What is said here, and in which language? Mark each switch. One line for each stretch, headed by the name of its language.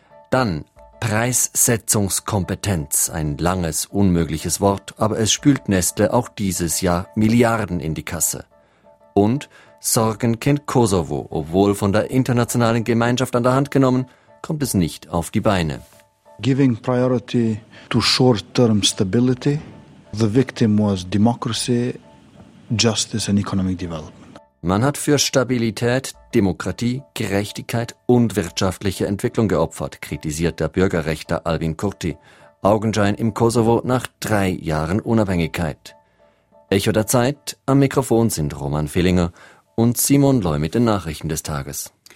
German: Dann Preissetzungskompetenz. Ein langes, unmögliches Wort, aber es spült Nestle auch dieses Jahr Milliarden in die Kasse. Und Sorgen kennt Kosovo. Obwohl von der internationalen Gemeinschaft an der Hand genommen, kommt es nicht auf die Beine.
English: Giving priority to short-term stability. The victim was democracy, justice and economic development.
German: Man hat für Stabilität, Demokratie, Gerechtigkeit und wirtschaftliche Entwicklung geopfert, kritisiert der Bürgerrechter Albin Kurti. Augenschein im Kosovo nach 3 Jahren Unabhängigkeit. Echo der Zeit, am Mikrofon sind Roman Fehlinger und Simon Leu mit den Nachrichten des Tages.